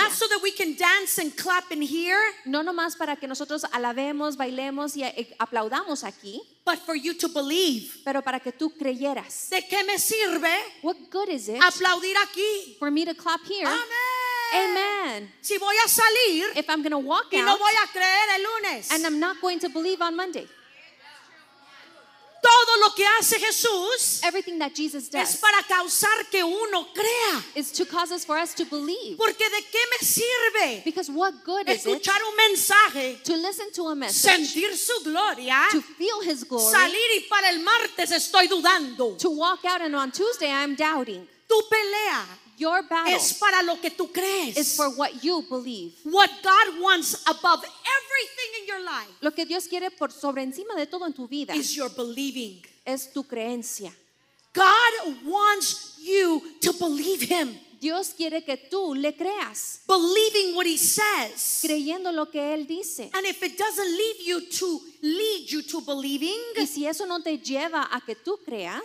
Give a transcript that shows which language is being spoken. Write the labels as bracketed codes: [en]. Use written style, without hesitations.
[en] Not so that we can dance and clap in here. [es] No nomás para que nosotros alabemos, bailemos y aplaudamos aquí. [en] But for you to believe. [es] Pero para que tú creyeras. ¿De qué me sirve? [en] What good is it? [es] Aplaudir aquí. [en] For me to clap here. Amen. Amen. [es] Si voy a salir. [en] If I'm going to walk [es] y [en] out. [es] Y no voy a creer el lunes. [en] And I'm not going to believe on Monday. [es] Todo lo que hace Jesús, [en] everything that Jesus does, [es] es para causar que uno crea. [en] Is to cause us for us to believe. [es] Porque de qué me sirve, [en] because what good is it, [es] escuchar un mensaje, [en] to listen to a message, [es] sentir su gloria, [en] to feel his glory, [es] salir y para el martes estoy dudando, [en] to walk out and on Tuesday I'm doubting. [es] Tu pelea, [en] your battle, [es] es para lo que tú crees, [en] is for what you believe. What God wants above everything in your life, [es] lo que Dios quiere por sobre encima de todo en tu vida, [en] is your believing, [es] es tu creencia. [en] God wants you to believe him. [es] Dios quiere que tú le creas. [en] Believing what he says, [es] creyendo lo que él dice. [en] And if it doesn't lead you to believing, [es] y si eso no te lleva a que tú creas,